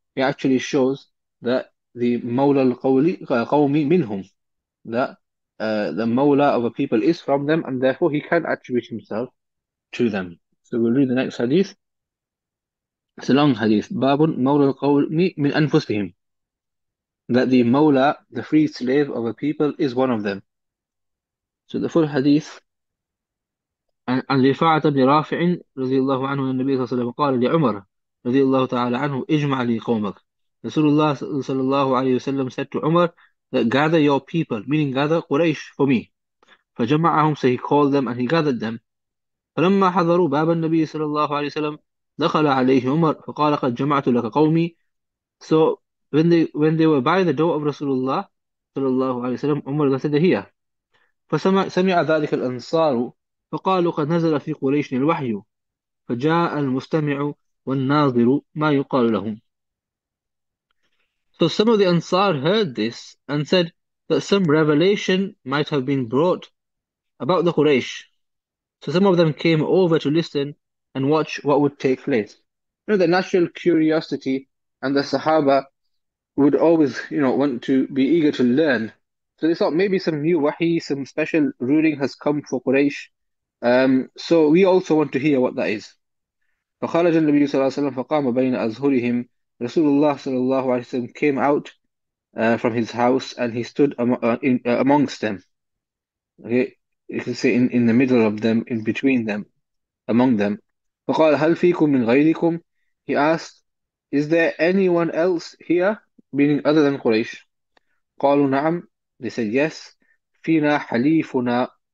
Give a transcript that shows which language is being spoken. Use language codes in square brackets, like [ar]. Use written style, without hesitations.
[en] It actually shows that the [ar] Mawla al-Qawli, Qawmi minhum, [en] that the Mawla of a people is from them, and therefore he can attribute himself to them. So we'll read the next hadith. It's a long hadith. [ar] Babun Mawla al-Qawmi min anfusihim. [en] That the Mawla, the free slave of a people, is one of them. So the full hadith. [ar] عن رفاعة بن رافع رضي الله عنه النبي صلى الله عليه وسلم قال لعمر رضي الله تعالى عنه اجمع لي قومك رسول الله صلى الله عليه وسلم [en] said to Umar that gather your people meaning gather Quraysh for me [ar] فجمعهم [en] so he called them and he gathered them [ar] فلما حضروا باب النبي صلى الله عليه وسلم دخل عليه عمر فقال قد جمعت لك قومي [en] so when they were by the door of [ar] رسول الله صلى الله عليه وسلم عمر [en] said here [ar] فسمع ذلك الأنصار فقالوا قد نزل في قريش الوحي فجاء المستمع والناظر ما يقال لهم [en] So some of the Ansar heard this and said that some revelation might have been brought about the Quraysh. So some of them came over to listen and watch what would take place. You know, the natural curiosity and the Sahaba would always, you know, want to be eager to learn. So they thought maybe some new wahi, some special ruling has come for Quraysh. So we also want to hear what that is. [ar] فخرج النبي صلى الله عليه وسلم فقام بين أزهرهم رسول الله صلى الله عليه وسلم [en] came out from his house and he stood amongst them. Okay, you can see in the middle of them, in between them, among them. [ar] فقال هل فيكم من غيركم? [en] He asked, is there anyone else here, meaning other than Quraysh? [ar] قالوا نعم. [en] They said yes. [ar] فينا حليفنا.